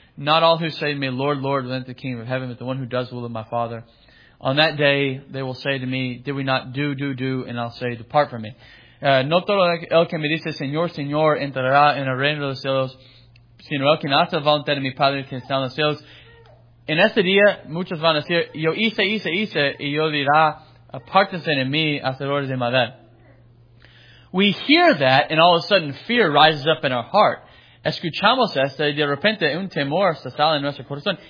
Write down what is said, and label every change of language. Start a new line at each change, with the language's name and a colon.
English: Not all who say to me, Lord, Lord, will enter the kingdom of heaven, but the one who does the will of my Father. On that day, they will say to me, did we not do, and I'll say, depart from me.
Spanish: No todo el que me dice, Señor, Señor, entrará en el reino de los cielos, sino el que hace la voluntad de mi Padre que está en los cielos. En este día, muchos van a decir, yo hice, y yo dirá, apártense de mí, hacedores de maldad.
English: We hear that, and all of a sudden, fear rises up in our heart.
Spanish: Escuchamos esto, y de repente, un temor se sale en nuestro corazón.